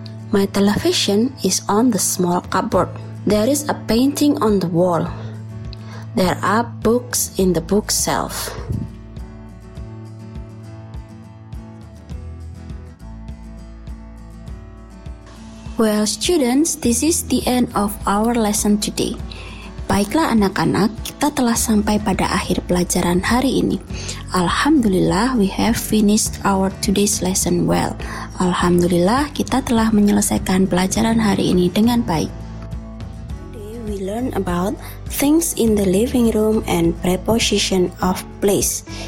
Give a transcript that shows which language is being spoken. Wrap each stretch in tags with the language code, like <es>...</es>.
<en>My television is on the small cupboard. There is a painting on the wall. There are books in the bookshelf. Well, students, this is the end of our lesson today.</en> <id>Baiklah anak-anak, kita telah sampai pada akhir pelajaran hari ini.</id> <en>Alhamdulillah, we have finished our today's lesson well.</en> <id>Alhamdulillah, kita telah menyelesaikan pelajaran hari ini dengan baik.</id> <en>Today we learn about things in the living room and preposition of place.</en>